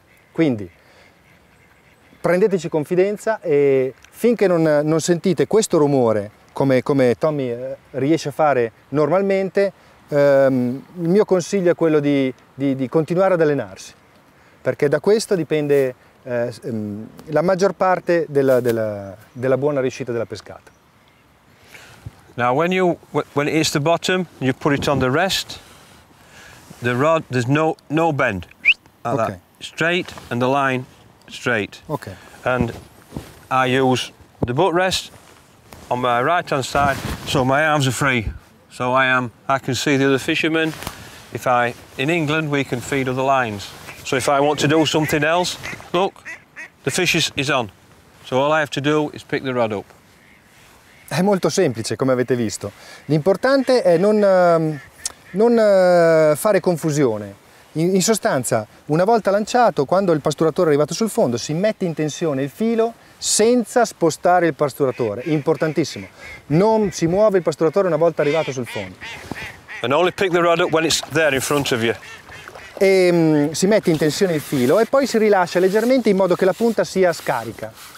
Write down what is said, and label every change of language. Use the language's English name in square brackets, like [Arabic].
[Italian] Quindi prendeteci confidenza e finché non sentite questo rumore, come Tommy riesce a fare normalmente, il mio consiglio è quello di continuare ad allenarsi, perché da questo dipende la maggior parte della buona riuscita della pescata. [English] Now when it hits the bottom, you put it on the rest, the rod, there's no bend like, okay. That. Straight and the line straight. Okay. And I use the boat rest on my right hand side, so my arms are free. So I can see the other fishermen. In England we can feed other lines. So if I want to do something else, look, the fish is on. So all I have to do is pick the rod up. [Italian] È molto semplice, come avete visto. L'importante è non fare confusione. In sostanza, una volta lanciato, quando il pasturatore è arrivato sul fondo, si mette in tensione il filo senza spostare il pasturatore. Importantissimo. Non si muove il pasturatore una volta arrivato sul fondo. [English] And only pick the rod up when it's there in front of you. [Italian] E si mette in tensione il filo e poi si rilascia leggermente in modo che la punta sia scarica.